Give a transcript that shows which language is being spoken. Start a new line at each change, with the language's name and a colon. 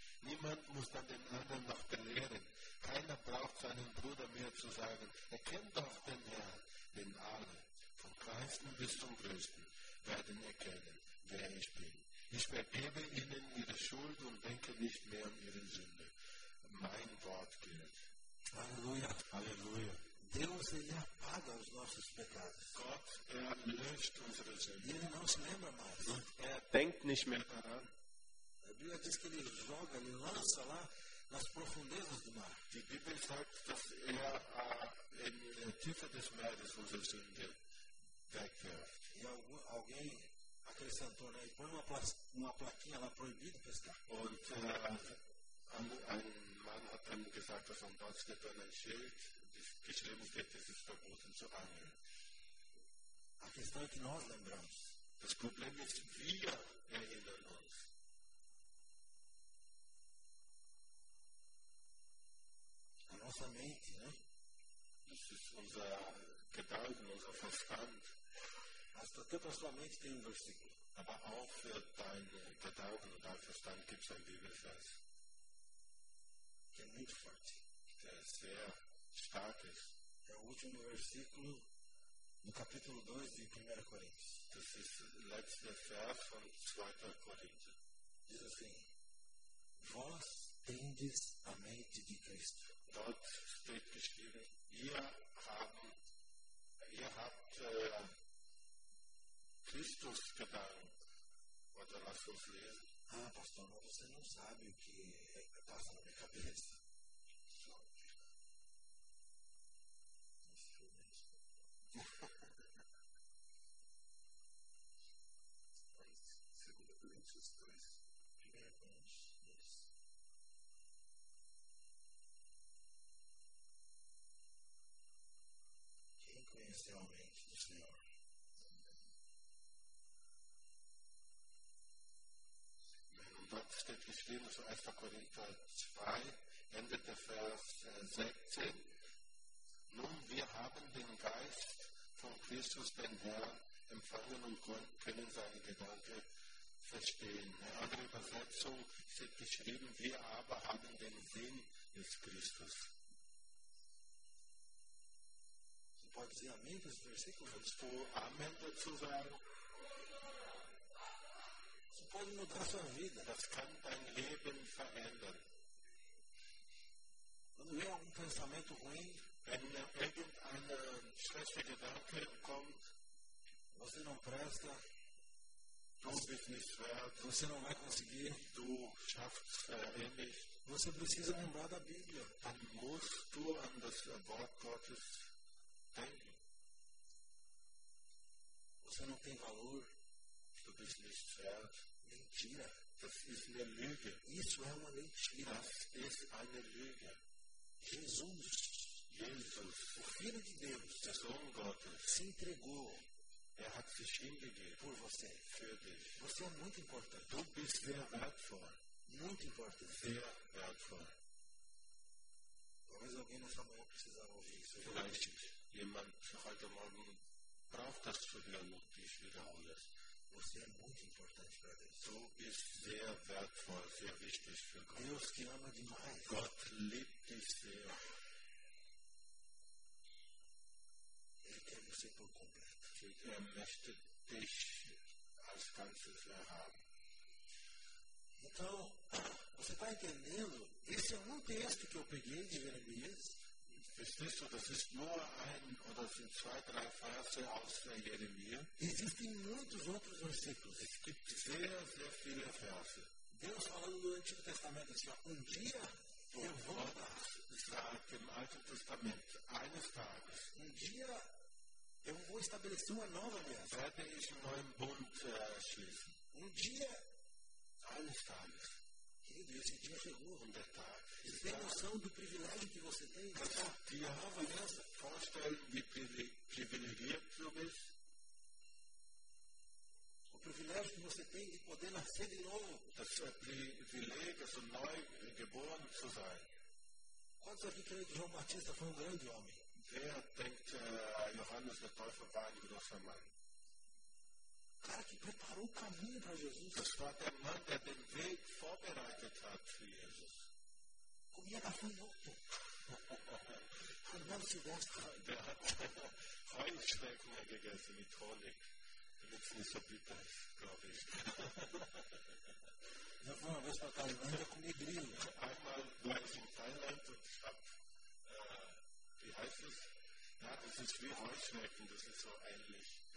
German: Niemand muss dann den anderen noch belehren. Keiner braucht seinen Bruder mehr zu sagen, erkenn doch den Herrn, denn alle, vom Kleinsten bis zum Größten, werden erkennen, wer ich bin. Ich vergebe ihnen ihre Schuld und denke nicht mehr an ihre Sünde. Mein Wort gilt. Halleluja. Halleluja.
Portuguese: Deus, ele apaga os nossos pecados.
German: Gott, er löscht unsere Sünde.
Portuguese: Ele não se lembra mais.
German: Und er denkt nicht mehr daran.
Portuguese: A Bíblia diz que ele joga, ele lança lá nas profundezas do mar.
German: Die Bibel sagt, dass er in der Tiefe des Meeres unsere Sünde wegwirft.
Portuguese: E alguém acrescentou, né? E põe uma plaquinha lá, proibido pescar.
German: Und ein Mann hat dann gesagt, dass am Platz steht dann ein Schild, das geschrieben steht, es ist verboten zu angeln.
Portuguese: A questão é que nós lembramos.
German: Das Problem ist, wir erinnern uns.
Portuguese: A nossa mente, né?
German: Das ist unser Gedanken, unser Verstand.
Portuguese: Mas até para sua mente tem um versículo.
German: Aber auch für deine Gedanken und dein Verstand gibt es ein Bibelvers.
Portuguese: Que é muito forte.
German: Der ist sehr stark.
Portuguese: É o último versículo do capítulo 2 de 1 Coríntios.
German: Das ist letzter Vers von 2.
Portuguese: Coríntios. Diz assim, vós tendes a mente de Cristo.
German: Dort steht geschrieben, ihr habt Christus Gedanken. Oder lasst uns lesen.
Portuguese: Ah, pastor, mas você não sabe o que passa na minha cabeça. Conhecer a mente do Senhor.
German: Und dort steht geschrieben, so 1. Korinther 2, endet der Vers 16. Nun, wir haben den Geist von Christus, den Herrn, empfangen und können seine Gedanken verstehen. In einer Übersetzung steht geschrieben, wir aber haben den Sinn des Christus. So
Portuguese: pode dizer amém para esse versículo?
German: Kannst du Amen dazu sagen?
Portuguese: Isso pode mudar sua vida.
German: Das kann dein Leben verändern.
Portuguese: Quando vem algum pensamento ruim,
German: wenn irgendein schlechter Gedanke kommt,
Portuguese: você não presta,
German: du bist nicht wert,
Portuguese: você não vai conseguir,
German: du schaffst nicht,
Portuguese: você precisa lembrar da Bíblia,
German: dann musst du an das Wort Gottes denken.
Portuguese: Você não tem valor,
German: du bist nicht wert.
Portuguese: Mentira.
German: Das ist eine Lüge.
Portuguese: Isso é uma mentira.
German: Das ist eine Lüge.
Portuguese: Jesus,
German: Jesus,
Portuguese: o Filho de Deus,
German: der Sohn Gottes,
Portuguese: se entregou.
German: Er hat sich hingegeben
Portuguese: por você.
German: Für dich.
Portuguese: Você é muito importante.
German: Du bist sehr wertvoll.
Portuguese: Muito importante.
German: Sehr wertvoll.
Portuguese: Talvez alguém nessa manhã precisa ouvir isso.
German: Vielleicht jemand heute Morgen braucht das zu hören und ich wiederhole es.
Portuguese: Você é muito importante para Deus.
German: Du bist sehr wertvoll, sehr wichtig für Gott.
Portuguese: Deus te ama demais.
German: Gott liebt dich sehr.
Portuguese: Ele quer você por completo.
German: Er möchte dich als Ganzes haben.
Portuguese: Então, você está entendendo? Esse é um texto que eu peguei de Jeremias.
German: Verstehst du, das ist nur ein oder sind zwei, drei Verse aus Jeremia.
Portuguese: Existem muitos outros versículos.
German: Es gibt sehr, sehr viele Verse.
Portuguese: Deus falando no Antigo Testamento assim, dia eu vou dar.
German: Sagt im Alten Testament, eines Tages.
Portuguese: Dia eu vou estabelecer uma nova aliança.
German: Werde ich einen neuen Bund schließen.
Portuguese: Dia
German: eines Tages.
Portuguese: Querido, esse dia chegou. Um detalhe. Você tem noção do privilégio que você tem? Essa dia nova aliança.
German: Vorstellen, wie privilegiert du bist?
Portuguese: O privilégio que você tem de poder nascer de novo.
German: Das privilégio, so neu geboren zu sein.
Portuguese: Quantos aqui creem que João Batista foi um grande homem?
German: Wer denkt, Johannes der Täufer war ein großer Mann?
Portuguese: Cara que preparou o caminho para Jesus.
German: Das war der Mann, der den Weg vorbereitet hat für Jesus.
Portuguese: Comia gafanhoto. Andando silvestre.
German: Der hat Heuschrecken gegessen mit Honig. Damit es nicht so bitter ist, glaube ich.
Portuguese: Já fui uma vez para Tailândia comer grilo.
German: Einmal war ich in Thailand und ich hab. Wie heißt es? Ja, das ist wie Heuschrecken, das ist so ähnlich.